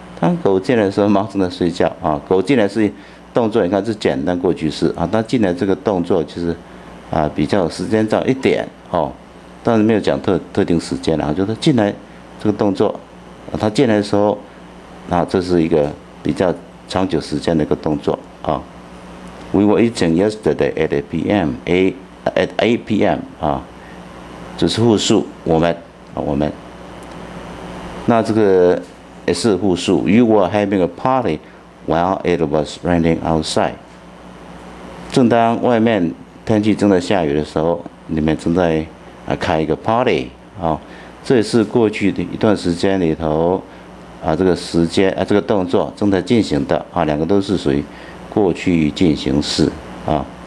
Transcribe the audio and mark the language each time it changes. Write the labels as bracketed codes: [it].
[zh] 当狗进来的时候，猫正在睡觉啊。狗进来是动作，你看是简单过去式啊。它进来这个动作就是比较时间早一点哦，但是没有讲特定时间啊。就是进来这个动作，它进来的时候，那这是一个比较长久时间的一个动作啊。 [en] We were eating yesterday at 8 p.m. at 8 p.m. [zh] 啊，这是复数，我们。那这个也是复数。 [en] You were having a party while it was raining outside. [zh] 正当外面天气正在下雨的时候，你们正在开一个 party 啊。这也是过去的一段时间里头这个时间这个动作正在进行的啊，两个都是属于过去进行式啊。